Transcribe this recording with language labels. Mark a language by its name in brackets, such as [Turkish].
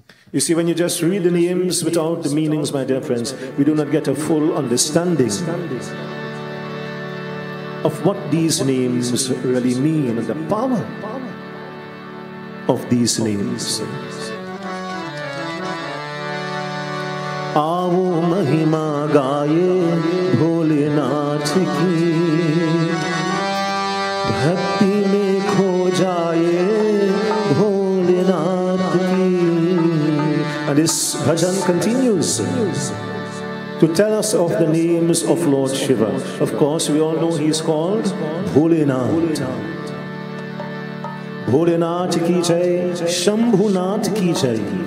[English] You see, when you just read the names without the meanings, my dear friends, we do not get a full understanding of what these names really mean and the power of these names. [Hindi] आओ महिमा गाए भोलेनाथ की भक्ति में खो जाए भोलेनाथ की [English] And this bhajan continues to tell us of the names of Lord Shiva. Of course, we all know he is called Bholenath. [Hindi] Bholenath ki jai, Shambhunath ki jai.